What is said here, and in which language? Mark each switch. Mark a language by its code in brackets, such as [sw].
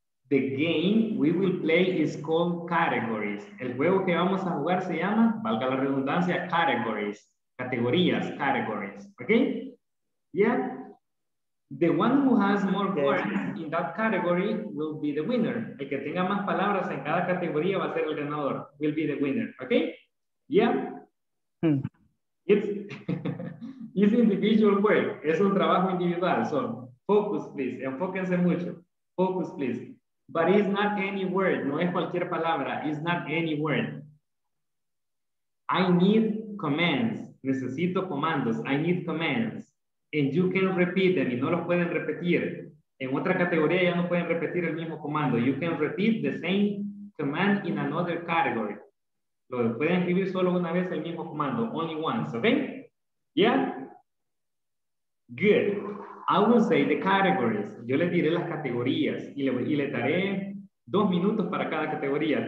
[en] The game we will play is called categories. [es] El juego que vamos a jugar se llama, valga la redundancia, categories. Categorías, categories. Okay? Yeah? [en] The one who has more words in that category will be the winner. [es] El que tenga más palabras en cada categoría va a ser el ganador. [en] Will be the winner. Okay? Yeah? It's individual work. [es] Es un trabajo individual. [en] So, focus, please. [es] Enfóquense mucho. [en] Focus, please. But it's not any word. [es] No es cualquier palabra. [en] It's not any word. I need commands. [es] Necesito comandos. [en] I need commands. And you can repeat them. [es] Y no los pueden repetir. En otra categoría ya no pueden repetir el mismo comando. [en] You can repeat the same command in another category. [es] Lo pueden escribir solo una vez el mismo comando. [en] Only once. Okay? Yeah? Good. I will say the categories. [es] Yo les diré las categorías y le daré 2 minutos para cada categoría.